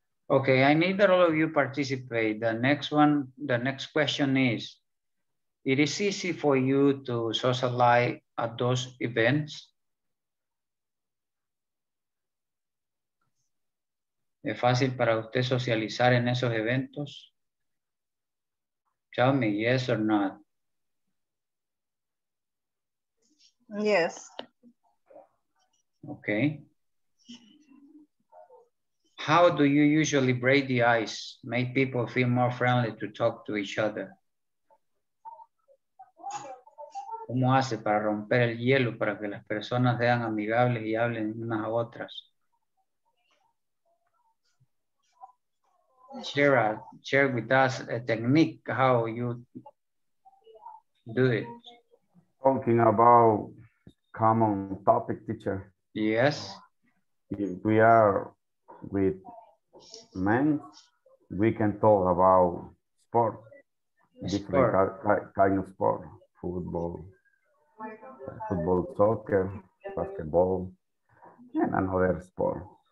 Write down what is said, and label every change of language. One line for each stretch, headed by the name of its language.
English: Okay, I need that all of you participate. The next question is, it is easy for you to socialize at those events?
Spanish: ¿Es fácil para usted socializar en esos eventos?
English: Tell me, yes or not? Yes. Okay. How do you usually break the ice, make people feel more friendly to talk to each other?
Spanish: ¿Cómo hace para romper el hielo para que las personas sean amigables y hablen unas a otras?
English: Share with us a technique, how you do it. Talking about common topic, teacher. Yes. We are with men, we can talk about sport, different kind of sport, football, soccer, basketball, and another sport.